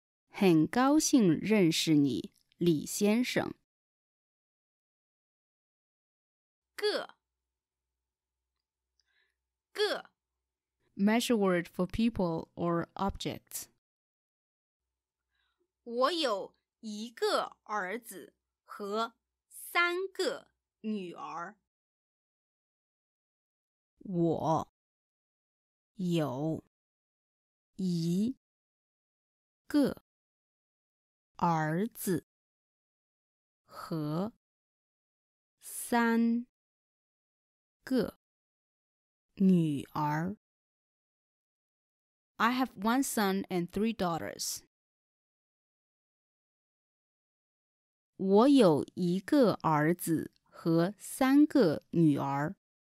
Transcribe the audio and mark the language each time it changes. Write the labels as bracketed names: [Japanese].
[Chinese] 很高兴认识你，李先生。个，个 [English] ，measure word for people or objects. [Chinese] 我有一个儿子和三个女儿。我有一个儿子和三个女儿。 [English] I have one son and 3 daughters. [Chinese] 我有一个儿子和三个女儿。